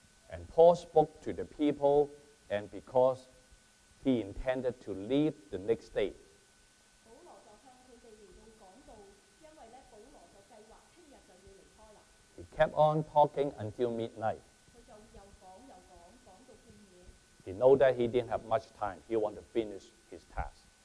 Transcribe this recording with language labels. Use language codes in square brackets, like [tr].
[en] And Paul spoke to the people, and because he intended to leave the next day. [yue] 保羅就向佢哋嚟到講道，因為咧保羅就計劃聽日就要離開啦。 [en] He kept on talking until midnight. [yue] 佢就又講又講，講到半夜。 [en] He knew that he didn't have much time. He wanted to finish his task.